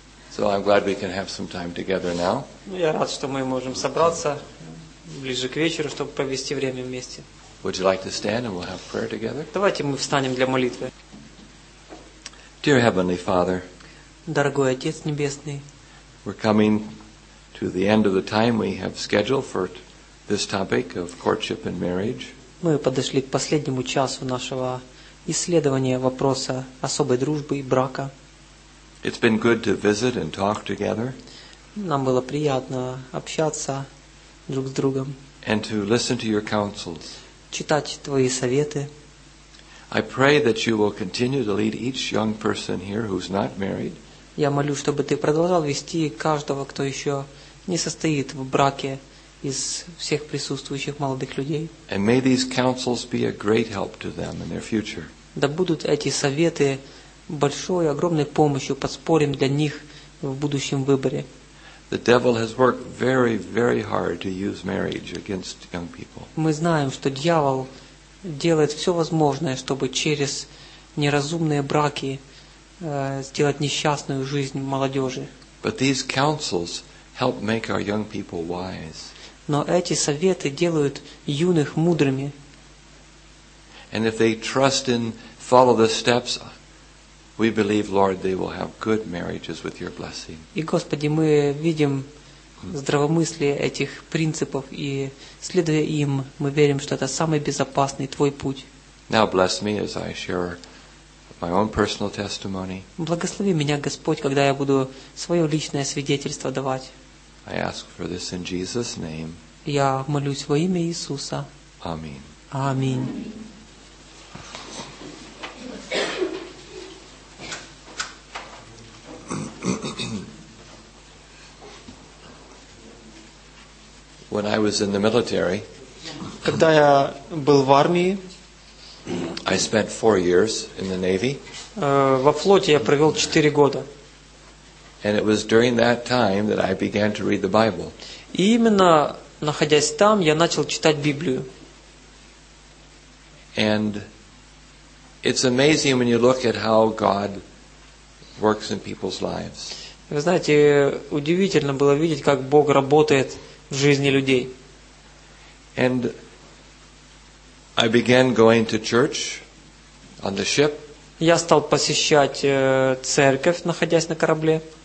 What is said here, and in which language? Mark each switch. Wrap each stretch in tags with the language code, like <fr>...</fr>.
<en>So I'm glad we can have some time together now.</en> <ru>Я рад, что мы можем собраться ближе к вечеру, чтобы провести время вместе.</ru> <en>Would you like to stand and we'll have prayer together?</en> <ru>Давайте мы встанем для молитвы.</ru> <en>Dear Heavenly Father,</en> <ru>дорогой Отец Небесный,</ru> <en>we're coming to the end of the time we have scheduled for this topic of courtship and marriage.</en> <ru>Мы подошли к последнему часу нашего исследования вопроса особой дружбы и брака.</ru> <en>It's been good to visit and talk together.</en> <ru>Нам было приятно общаться друг с другом.</ru> <en>And to listen to your counsels.</en> <ru>Читать твои советы.</ru> <en>I pray that you will continue to lead each young person here who's not married.</en> <ru>Я молю, чтобы ты продолжал вести каждого, кто еще не состоит в браке, из всех присутствующих молодых людей.</ru> <en>And may these counsels be a great help to them in their future.</en> <ru>Да будут эти советы большой, огромной помощью, подспорьем для них в будущем выборе.</ru> <en>The devil has worked very, very hard to use marriage against young people.</en> <ru>Мы знаем, что дьявол делает все возможное, чтобы через неразумные браки сделать несчастную жизнь молодежи.</ru> <en>But these counsels help make our young people wise.</en> <ru>Но эти советы делают юных мудрыми.</ru> <en>And if they trust and follow the steps, we believe, Lord, they will have good marriages with your blessing.</en> <ru>И Господи, мы видим здравомыслие этих принципов, и следуя им, мы верим, что это самый безопасный твой путь.</ru> <en>Now bless me as I share my own personal testimony.</en> <ru>Благослови меня, Господь, когда я буду свое личное свидетельство давать.</ru> <en>I ask for this in Jesus' name.</en> <ru>Я молюсь во имя Иисуса. Аминь. Аминь.</ru> <en>When I was in the military,</en> <ru>когда я был в армии,</ru> <en>I spent 4 years in the Navy.</en> <ru>Во флоте я провел 4 года.</ru> <en>And it was during that time that I began to read the Bible.</en> <ru>И именно находясь там, я начал читать Библию.</ru> <en>And it's amazing when you look at how God works in people's lives.</en> <ru>Вы знаете, удивительно было видеть, как Бог работает в жизни людей.</ru> <en>And I began going to church on the ship.</en> <ru>Я стал посещать церковь, находясь на корабле.</ru>